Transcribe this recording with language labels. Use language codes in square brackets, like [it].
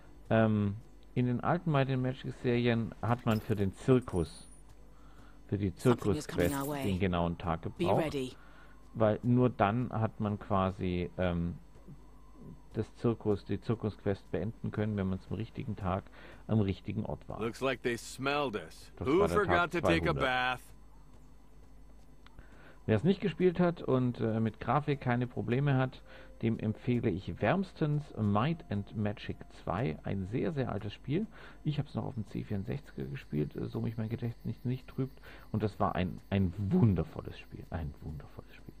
[de] In den alten Might and Magic Serien hat man für den Zirkus, für die Zirkus-Quest den genauen Tag gebraucht. Weil nur dann hat man quasi die Zirkus-Quest beenden können, wenn man zum richtigen Tag am richtigen Ort war. [en] Looks like they smelled us. Who forgot to take a bath? [de] Wer es nicht gespielt hat und mit Grafik keine Probleme hat, dem empfehle ich wärmstens Might and Magic 2, ein sehr, sehr altes Spiel. Ich habe es noch auf dem C64er gespielt, so mich mein Gedächtnis nicht trübt. Und das war ein wundervolles Spiel, ein wundervolles Spiel.